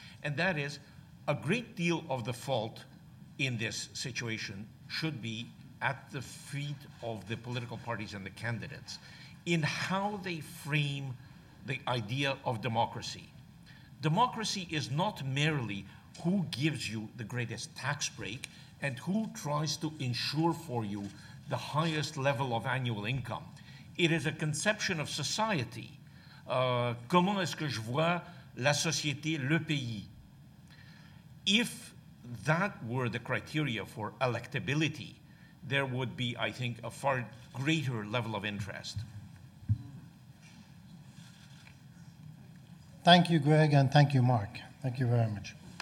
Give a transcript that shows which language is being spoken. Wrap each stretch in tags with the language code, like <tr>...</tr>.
<en>And that is, a great deal of the fault in this situation should be at the feet of the political parties and the candidates in how they frame the idea of democracy. Democracy is not merely who gives you the greatest tax break and who tries to ensure for you the highest level of annual income. It is a conception of society.</en> <fr>Comment est-ce que je vois la société, le pays?</fr> <en>If that were the criteria for electability, there would be, I think, a far greater level of interest. Thank you, Greg, and thank you, Mark. Thank you very much.</en>